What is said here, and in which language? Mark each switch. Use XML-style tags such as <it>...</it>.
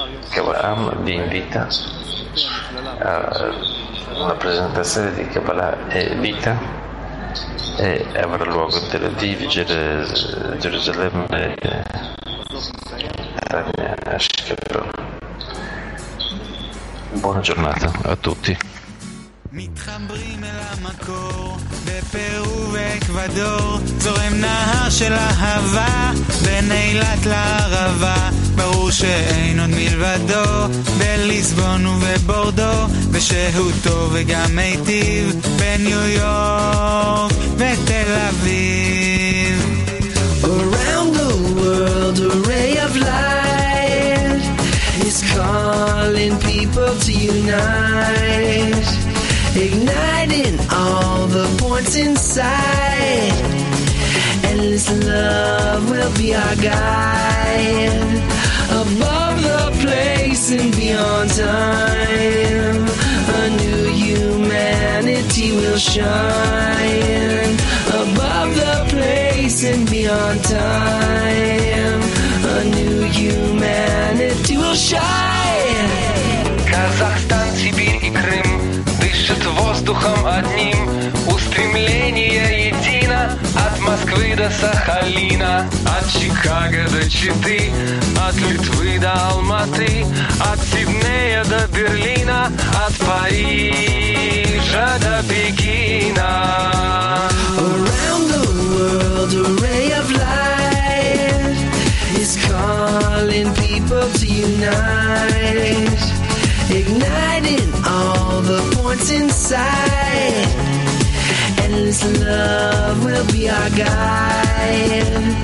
<it>Kabbalah vi invita a una presentazione di Kabbalah e vita, e avrà luogo in Tel Aviv, Gerusalemme, Tania Ashkelon. Buona giornata a tutti.</it> <he>מתחברים אל המקור בפרו ואקוודור, זורם נהר של אהבה בין אילת לערבה, ברור שאין עוד מלבדו בליסבון ובבורדו, ושהותו וגם מיטיב בניו יורק ותל אביב.</he> <en>Around the world a ray of light is calling people to unite, igniting all the points inside. Endless love will be our guide, above the place and beyond time. A new humanity will shine, above the place. rising beyond time. A new humanity will shine.</en> <ru>Казахстан, Сибирь и Крым дышат воздухом одним. Устремление едино от Москвы до Сахалина, от Чикаго до Читы, от Литвы до Алматы, от Сиднея до Берлина, от Парижа до Пекина.</ru> <en>Around the world a ray of light is calling people to unite, igniting all the points inside. Endless love will be our guide.</en>